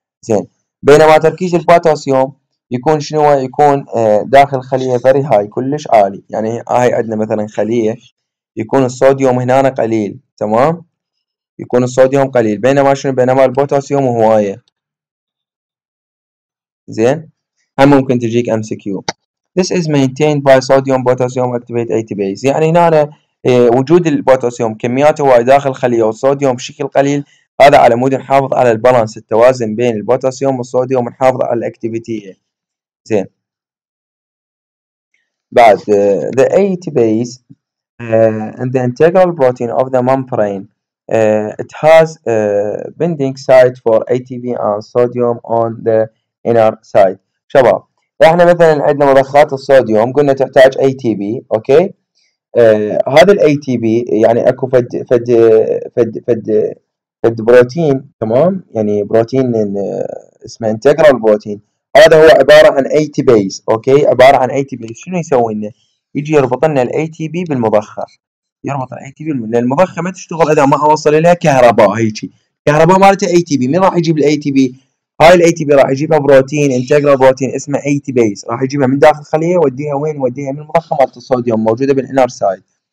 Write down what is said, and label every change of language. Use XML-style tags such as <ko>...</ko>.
<ar>زين بينما تركيز البوتاسيوم يكون شنو؟ يكون داخل الخليه</ar> <en>free هاي</en> <ar>كلش عالي. يعني هاي عندنا مثلا خليه يكون الصوديوم هنا قليل، تمام؟ يكون الصوديوم قليل بينما شنو؟ بينما البوتاسيوم هوايه. زين هم ممكن تجيك ام سي كيو.</ar> <en>This is maintained by sodium potassium activate ATPase.</en> <ar>يعني هنا وجود البوتاسيوم كميات هواي داخل الخليه والصوديوم بشكل قليل هذا على مود نحافظ على البالانس التوازن بين البوتاسيوم والصوديوم ونحافظ على الاكتيفيتي.</ar> <en>زين بعد the ATPase and the integral protein of the membrane it has a binding site for ATP and sodium on the inner side.</en> <ar>شباب احنا مثلا عندنا مضخات الصوديوم قلنا تحتاج اي تي بي، اوكي؟ هذا الاي تي بي يعني اكو فد فد فد فد فد بروتين، تمام؟ يعني بروتين اسمه انتجرال بروتين، هذا هو عباره عن اي تي بيز، اوكي؟ عباره عن اي تي بيز، شنو يسوي لنا؟ يجي يربط لنا الاي تي بي بالمضخه، يربط الاي تي بي لان المضخه ما تشتغل اذا ما اوصل لها كهرباء، هيجي كهرباء مالته اي تي بي، مين راح يجيب الاي تي بي؟ هاي الاي تي بي راح يجيبها بروتين انتجرال بروتين اسمه اي تي بيز، راح يجيبها من داخل الخليه يوديها وين؟ يوديها من المضخه مالت الصوديوم موجوده بالانر سايد.</ar>